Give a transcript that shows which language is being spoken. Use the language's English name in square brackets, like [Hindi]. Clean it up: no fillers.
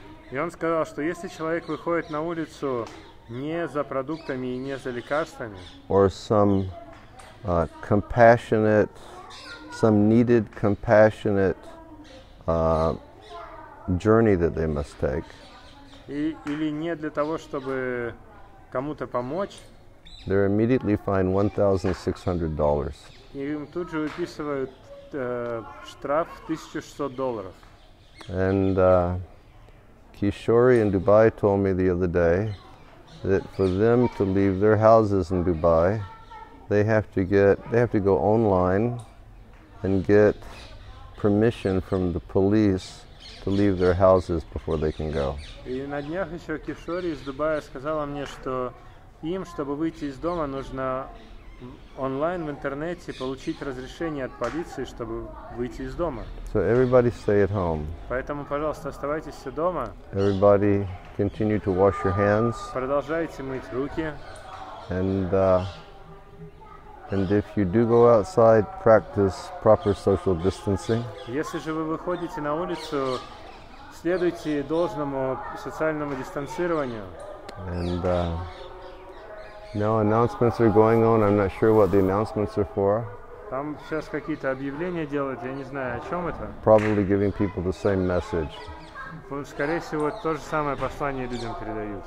[Russian] И он сказал, что если человек выходит на улицу не за продуктами и не за лекарствами, [English] or some compassionate, some needed compassionate journey that they must take. [Russian] Или не для того, чтобы кому-то помочь. [English] They're immediately fined $1,600. [Russian] И им тут же выписывают штраф $1,600. [English] And Kishori in Dubai told me the other day that for them to leave their houses in Dubai, they have to go online and get permission from the police to leave their houses before they can go. [Russian] И на днях еще Кишори из Дубая сказала мне, что им, чтобы выйти из дома, нужно онлайн в интернете получить разрешение от полиции, чтобы выйти из дома. [English] So everybody stay at home. [Russian] Поэтому, пожалуйста, оставайтесь все дома. [English] Everybody continue to wash your hands. [Russian] Продолжайте мыть руки. [English] And if you do go outside, practice proper social distancing. [Russian] Если же вы выходите на улицу, следуйте должному социальному дистанцированию. [English] No announcements are going on. I'm not sure what the announcements are for. [Russian] Там сейчас какие-то объявления делают, я не знаю, о чем это. [English] Probably giving people the same message. [Russian] Скорее всего, то же самое послание людям передают.